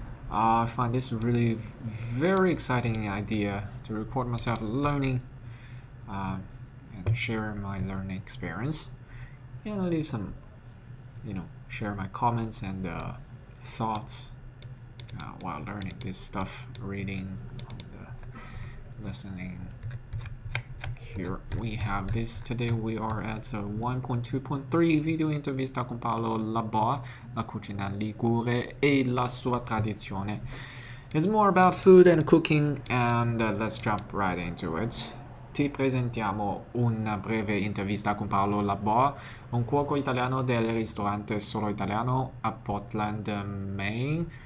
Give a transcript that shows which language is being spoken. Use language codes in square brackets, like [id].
[en] I find this really very exciting idea to record myself learning and share my learning experience and leave some, you know, share my comments and thoughts while learning this stuff, reading and listening. Here we have this. Today we are at [it] 1.2.3 video intervista con Paolo Labbà, la cucina ligure e la sua tradizione. [en] It's more about food and cooking, and let's jump right into it. [it] Ti presentiamo una breve intervista con Paolo Labbà, un cuoco italiano del ristorante Solo Italiano a Portland, Maine.